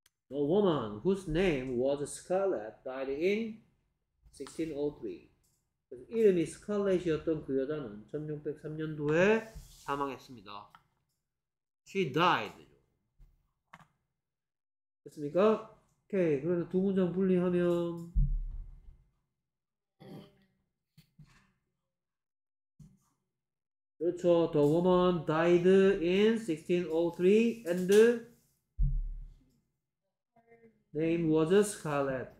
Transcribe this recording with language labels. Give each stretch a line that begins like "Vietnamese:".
English: The woman whose name was Scarlett died in 1603.
Korean: 이름이 스칼렛이었던 그 여자는 1603년도에 사망했습니다.
English: She died.
Korean: 됐습니까? 오케이. 그래서 두 문장 분리하면 그렇죠.
English: The woman died in 1603 and name was Scarlett.